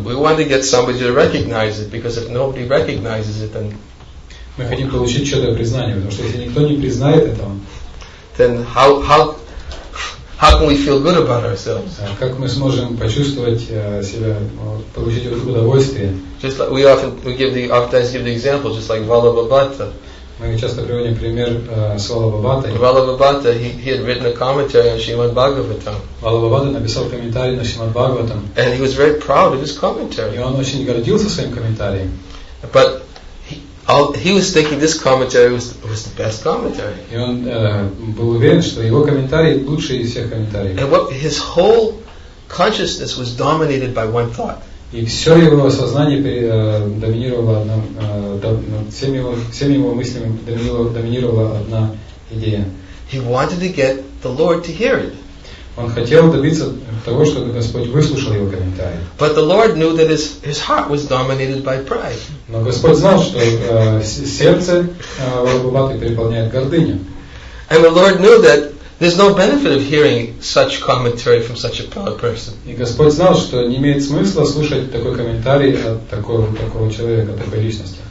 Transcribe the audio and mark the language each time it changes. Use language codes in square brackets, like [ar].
[en] We want to get somebody to recognize it, because if nobody recognizes it, then [ru] мы хотим получить чьё-то признание, потому что если никто не признает это, [en] then how can we feel good about ourselves? [ru] Как мы сможем почувствовать себя, получить удовольствие? [en] Just like we often give the example, just like Vallabhabhatta. [ru] Мы часто приводим пример Свалабхабхатты. [en] Vallabhabhatta, he had written a commentary on Srimad Bhagavatam. [ru] Vallabhabhatta написал комментарий на Srimad Bhagavatam. [en] And he was very proud of his commentary. [ru] И он очень гордился своим комментарием. [en] But he was thinking this commentary was the best commentary. [ru] И он был уверен, что его комментарий лучший из всех комментариев. [en] And what his whole consciousness was dominated by one thought. [ru] И все его сознание доминировало одна, всеми его мыслями доминировала одна идея. [en] He wanted to get the Lord to hear it. [ru] Он хотел добиться того, чтобы Господь выслушал его комментарий. [en] But the Lord knew that his heart was dominated by pride. [ru] Но Господь знал, что сердце Варгуваты переполняет гордыня. [en] And the Lord knew that there's no benefit of hearing such commentary from such a proud person. [ru] И Господь знал, что не имеет смысла слушать такой комментарий от такого человека, такой личности.